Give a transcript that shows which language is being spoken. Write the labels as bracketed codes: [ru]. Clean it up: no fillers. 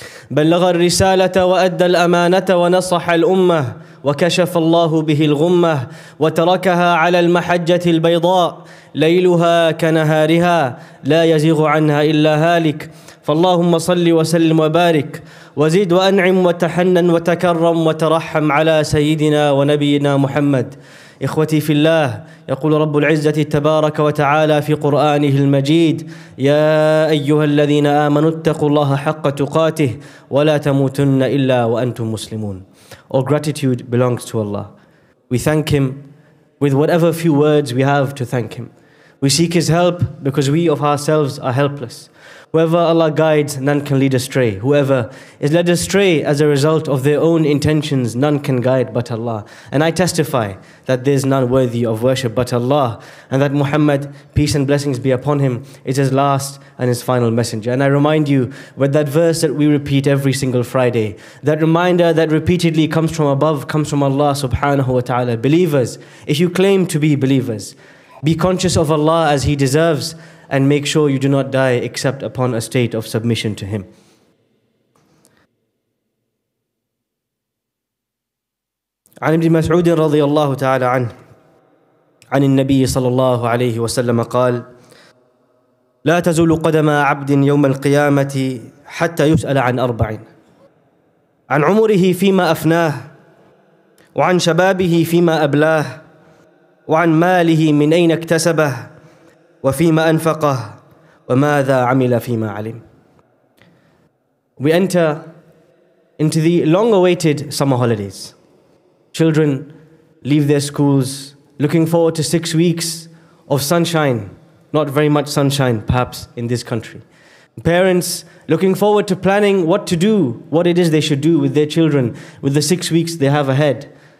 [ar] بلغ الرسالة وأدى الأمانة ونصح الأمة وكشف الله به الغمة وتركها على المحجة البيضاء ليلها كنهارها لا يزيغ عنها إلا هالك فاللهم صل وسلم وبارك وزيد وأنعم وتحنن وتكرم وترحم على سيدنا ونبينا محمد إخوتي في الله يقول رب العزة تبارك وتعالى في قرآنه المجيد يا أيها الذين آمنوا اتقوا الله حق تقاته ولا تموتن إلا وأنتم مسلمون. [en] All gratitude belongs to Allah. We thank Him with whatever few words we have to thank Him. We seek His help because we of ourselves are helpless. Whoever Allah guides, none can lead astray. Whoever is led astray as a result of their own intentions, none can guide but Allah. And I testify that there is none worthy of worship but Allah, and that Muhammad, peace and blessings be upon him, is his last and his final messenger. And I remind you with that verse that we repeat every single Friday, that reminder that repeatedly comes from above, comes from Allah [ar] subhanahu wa ta'ala. [en] Believers, if you claim to be believers, be conscious of Allah as He deserves, and make sure you do not die except upon a state of submission to Him. [ar] عن ابن مسعود رضي الله تعالى عنه عن النبي صلى الله عليه وسلم قال لا تزول قدم عبد يوم القيامة حتى يسأل عن أربع عن عمره فيما أفناه وعن شبابه فيما أبلاه وعن ماله من أين اكتسبه وَفِيمَ أَنفَقَهُ وَمَاذَا عَمِلَ فِيمَا عَلِمْ. [en] We enter into the long-awaited summer holidays. Children leave their schools looking forward to 6 weeks of sunshine, not very much sunshine perhaps in this country. Parents looking forward to planning what to do, what it is they should do with their children with the 6 weeks they have ahead.